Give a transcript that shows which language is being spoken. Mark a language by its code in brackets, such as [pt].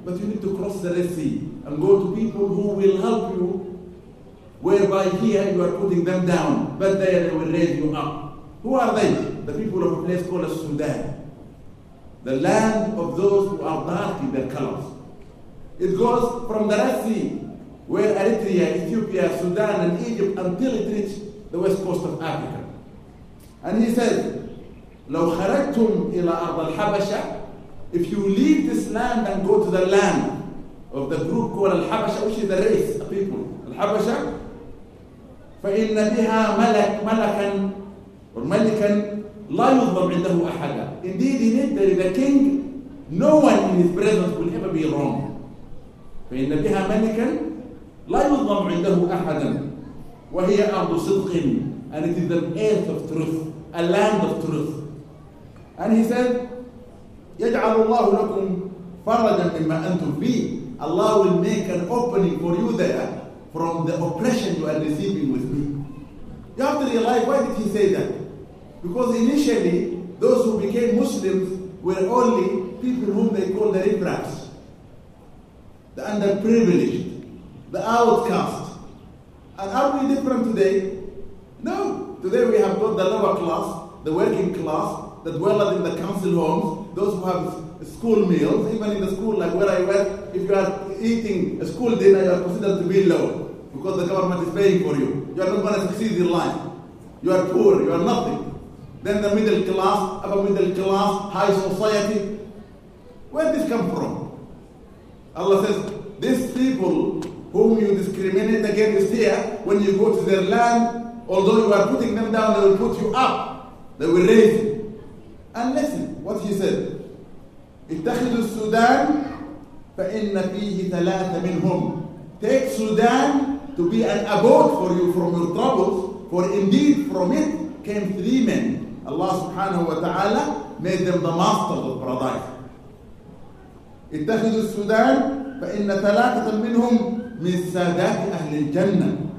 [en] But you need to cross the Red Sea and go to people who will help you, whereby here you are putting them down, but there they will raise you up. Who are they? The people of a place called Sudan. The land of those who are dark in their colors. It goes from the Red Sea, where Eritrea, Ethiopia, Sudan, and Egypt, until it reached the west coast of Africa. And he said, [ar] لو خرجتم إلى أرض الحبشة. [en] If you leave this land and go to the land of the group called الحبشة, which is the race of people, الحبشة, [ar] فإن بها ملك ملكا [en] or [ar] ملكا لا يظلم عنده أحدا. [en] Indeed, in it there is a king, no one in his presence will ever be wrong. [ar] فإن بها ملكا لا يظلم عنده أحدا وهي أرض صدق. [en] And it is the earth of truth, a land of truth. And he said, [ar] يجعل الله لكم فرجا مما أنتم فيه. [en] Allah will make an opening for you there from the oppression you are receiving with me. You have to realize, why did he say that? Because initially, those who became Muslims were only people whom they called the Ibrahs, the underprivileged, the outcast. And are we different today? No. Today we have got the lower class, the working class, the dwellers in the council homes, those who have school meals, even in the school like where I went, if you are eating a school dinner, you are considered to be low because the government is paying for you. You are not going to succeed in life. You are poor. You are nothing. Then the middle class, upper middle class, high society. Where did this come from? Allah says, these people whom you discriminate against here, when you go to their land, although you are putting them down, they will put you up. They will raise you. And listen what he said. [ar] اتخذوا السودان فإن فيه ثلاثة منهم. [en] Take Sudan to be an abode for you from your troubles, for indeed from it came three men. Allah subhanahu wa ta'ala made them the masters of paradise. [ar] اتخذوا السودان فإن ثلاثة منهم من سادات أهل الجنة.